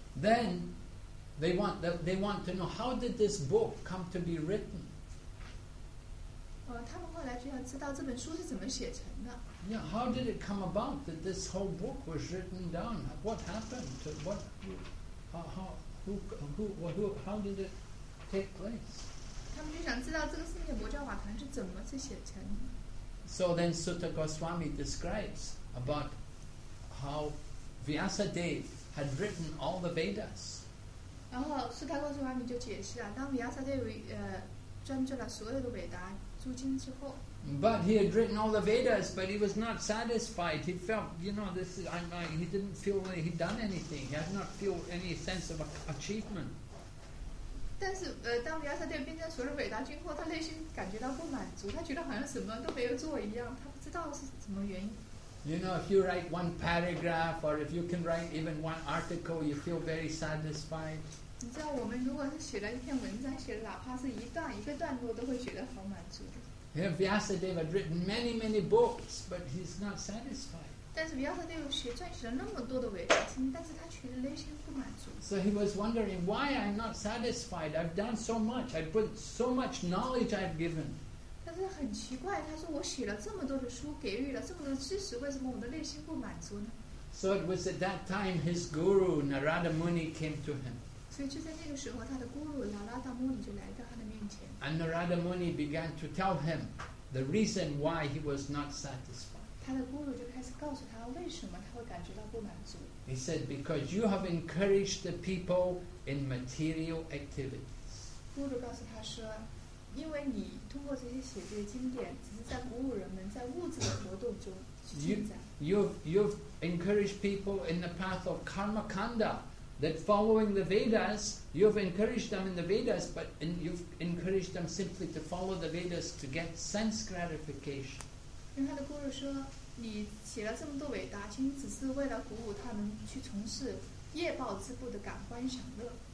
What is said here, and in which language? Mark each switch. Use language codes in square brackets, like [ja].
[en] Then, they want to know how did this book come to be written? [zh] 他们后来就要知道这本书是怎么写成的。 [en] Yeah, how did it come about that this whole book was written down? What happened? How did it take place? [zh] 他们就想知道这个世界魔教法团是怎么是写成的。 [en] So then Sutta Goswami describes about how Vyasadeva had written all the Vedas. [zh] 然后 Sutta Goswami 就解释了，当 Vyasadeva 专注了所有的韦达诸经之后。 [en] But he had written all the Vedas, but he was not satisfied. He felt, you know, this is, he didn't feel like he'd done anything. He had not feel any sense of achievement. [zh] 但是，当维亚萨德编撰所有伟大经后，他内心感觉到不满足，他觉得好像什么都没有做一样，他不知道是什么原因。 [en] You know, if you write one paragraph, or if you can write even one article, you feel very satisfied. [zh] 你知道，我们如果是写了一篇文章，写的哪怕是一段一个段落，都会觉得好满足。 [en] Yeah, Vyasadeva had written many, many books, but he's not satisfied. [zh] 但是 Vyasadeva 撰写了那么多的伟大经，但是他却内心不满足。 [en] So he was wondering why I'm not satisfied. I've done so much. I've put so much knowledge I've given. [zh] 但是很奇怪，他说我写了这么多的书，给予了这么多知识，为什么我的内心不满足呢？ [en] So it was at that time his guru Narada Muni came to him. [zh] 所以就在那个时候，他的 guru Narada Muni 就来到他的面前。 [en] And Narada Muni began to tell him the reason why he was not satisfied. [zh] 他的 guru 就开始告诉他为什么他会感觉到不满足。 [en] He said, because you have encouraged the people in material activities. [zh] Guru 告诉他说，因为你通过这些写这些经典，只是在鼓舞人们在物质的活动中去进展。 [en] You've encouraged people in the path of karma kanda. That following the Vedas, you've encouraged them in the Vedas, but you've encouraged them simply to follow the Vedas to get sense gratification. Because his guru said, "You [zh] 写了这么多伟大经，只是为了鼓舞他们去从事业报之部的感官享乐。